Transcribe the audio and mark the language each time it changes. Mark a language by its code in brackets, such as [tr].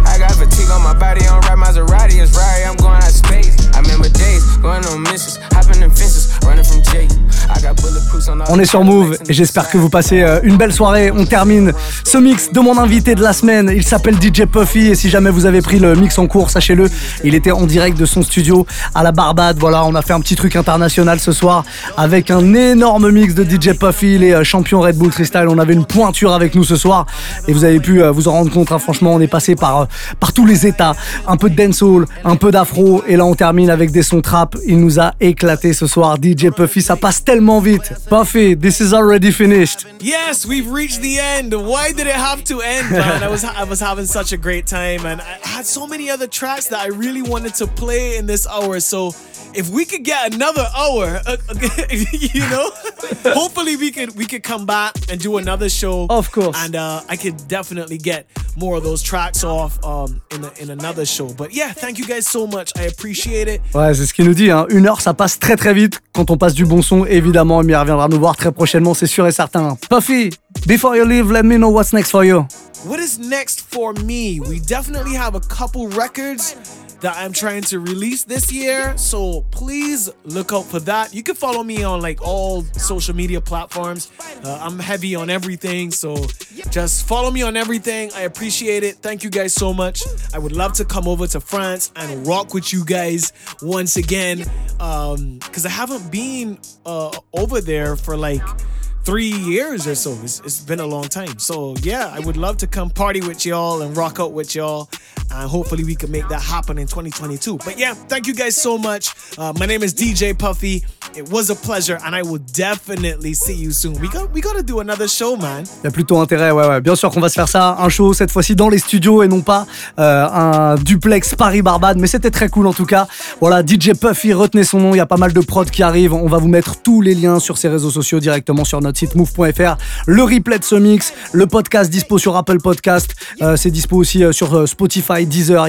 [en] I got fatigue on my body, I don't ride Maserati, it's Rari, I'm going out of space. I remember days, going on missions, hopping in fences, running from Jake. [fr] On est sur Mouv, et j'espère que vous passez une belle soirée. On termine ce mix de mon invité de la semaine. Il s'appelle DJ Puffy, et si jamais vous avez pris le mix en cours, sachez-le, il était en direct de son studio à la Barbade. Voilà, on a fait un petit truc international ce soir avec un énorme mix de DJ Puffy, les champions Red Bull Freestyle. On avait une pointure avec nous ce soir, et vous avez pu vous en rendre compte, hein. Franchement, on est passé par tous les états. Un peu de dancehall, un peu d'afro, et là on termine avec des sons trap. Il nous a éclaté ce soir, DJ Puffy. Ça passe tellement vite. Puffy, [en] this is already finished. Yes, we've reached the end. Why did it have to end, man? I was having such a great time, and I had so many other tracks that I really wanted to play in this hour. So if we could get another hour, you know, hopefully we could come back and do another show. Of course. And I could definitely get more of those tracks off in another show. But yeah, thank you guys so much. I appreciate it. [fr] Ouais, c'est ce qu'il nous dit, hein. Une heure, ça passe très très vite quand on passe du bon son. Évidemment, Amir viendra nous voir très prochainement, c'est sûr et certain. [en] Puffy, before you leave, let me know what's next for you. What is next for me? We definitely have a couple records that I'm trying to release this year, so please look out for that. You can follow me on like all social media platforms. I'm heavy on everything, so just follow me on everything. I appreciate it. Thank you guys so much. I would love to come over to France and rock with you guys once again, because I haven't been over there for like 3 years or so. It's been a long time. So yeah, I would love to come party with y'all and rock out with y'all, and hopefully we can make that happen in 2022. But yeah, thank you guys so much. My name is DJ Puffy. It was a pleasure, and I will definitely see you soon. We gotta do another show, man. [fr] Il y a plutôt intérêt, ouais, ouais. Bien sûr qu'on va se faire ça, un show cette fois-ci dans les studios et non pas un duplex Paris Barbade. Mais c'était très cool en tout cas. Voilà, DJ Puffy, retenez son nom. Il y a pas mal de prods qui arrivent. On va vous mettre tous les liens sur ses réseaux sociaux directement sur notre site Mouv.fr, le replay de ce mix, le podcast dispo sur Apple Podcast, c'est dispo aussi sur Spotify, Deezer.